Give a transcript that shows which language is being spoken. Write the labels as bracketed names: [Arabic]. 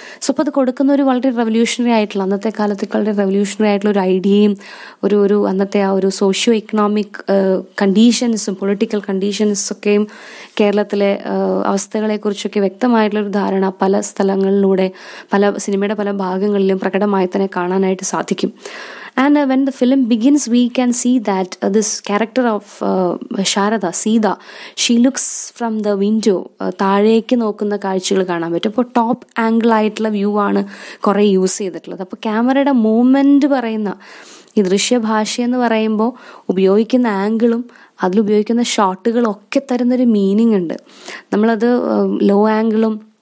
[Malayalam] So അപ്പോൾ അത് കൊടുക്കുന്ന ഒരു വളരെ റെവല്യൂഷണറി ആയിട്ടുള്ള, അന്നത്തെ കാലത്തേക്ക് വളരെ റെവല്യൂഷണറി ആയിട്ടുള്ള ഒരു ഐഡിയയും ഒരു ഒരു അന്നത്തെ ആ ഒരു സോഷ്യോ ഇക്കണോമിക് കണ്ടീഷൻസും പൊളിറ്റിക്കൽ കണ്ടീഷൻസൊക്കെയും കേരളത്തിലെ അവസ്ഥകളെക്കുറിച്ചൊക്കെ വ്യക്തമായിട്ടുള്ളൊരു ധാരണ പല സ്ഥലങ്ങളിലൂടെ, പല സിനിമയുടെ പല ഭാഗങ്ങളിലും പ്രകടമായി തന്നെ കാണാനായിട്ട് സാധിക്കും. [English] And when the film begins, we can see that this character of Sharada, Sita, she looks from the window. [Malayalam] താഴേക്ക് നോക്കുന്ന കാഴ്ചകൾ കാണാൻ പറ്റും. അപ്പോൾ ടോപ്പ് ആംഗിൾ ആയിട്ടുള്ള വ്യൂ ആണ് കുറേ യൂസ് ചെയ്തിട്ടുള്ളത്. അപ്പോൾ ക്യാമറയുടെ മൂവ്മെൻറ്റ് പറയുന്ന ഈ ദൃശ്യഭാഷയെന്ന് പറയുമ്പോൾ ഉപയോഗിക്കുന്ന ആംഗിളും അതിലുപയോഗിക്കുന്ന ഷോട്ടുകളും ഒക്കെ തരുന്നൊരു മീനിങ് ഉണ്ട്. നമ്മളത് ലോ ആംഗിളും